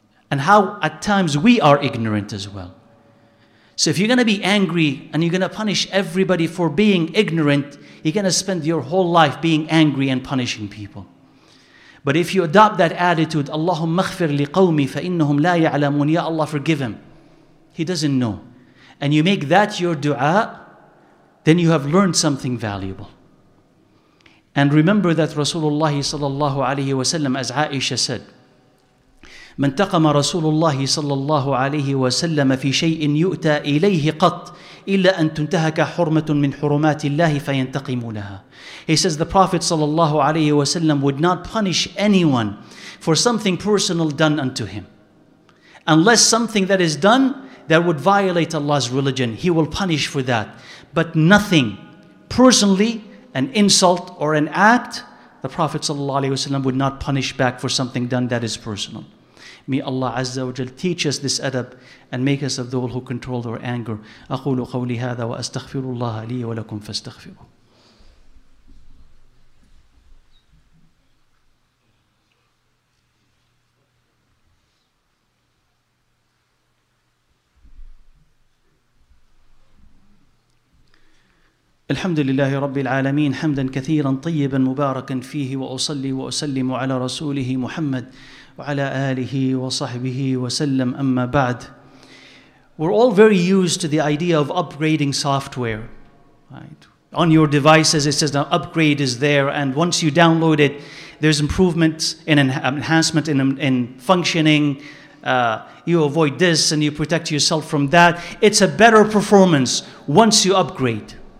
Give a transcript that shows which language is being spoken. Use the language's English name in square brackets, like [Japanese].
[English] And how at times we are ignorant as well. So if you're going to be angry and you're going to punish everybody for being ignorant, you're going to spend your whole life being angry and punishing people. But if you adopt that attitude, [Arabic] Allahumma ighfir li qawmi fa innahum la ya'lamun, [English] Ya Allah, forgive him. He doesn't know. And you make that your dua, then you have learned something valuable. And remember that Rasulullah sallallahu alayhi wa sallam, as Aisha said, [Arabic] من تقم رسول الله صلى الله عليه وسلم في شيء يؤتى إليه قط إلا أن تنتهك حرمة من حرمات الله فينتقم لها. [English] He says the Prophet صلى الله عليه وسلم would not punish anyone for something personal done unto him, unless something that is done that would violate Allah's religion, he will punish for that. But nothing personally, an insult or an act, the Prophet صلى الله عليه وسلم would not punish back for something done that is personal. May Allah Azza wa Jal teach us this adab and make us of those who control our anger. [Arabic] أقول قولي هذا وأستغفر الله لي ولكم فاستغفروا. الحمد لله رب العالمين حمدا كثيرا طيبا مباركا فيه وأصلي وأسلم على رسوله محمد وعلى آله وصحبه وسلم أما بعد. [English] We're all very used to the idea of upgrading software, right? On your devices it says now upgrade is there, and once you download it there's improvement in enhancement in functioning. You avoid this and you protect yourself from that. It's a better performance once you upgrade.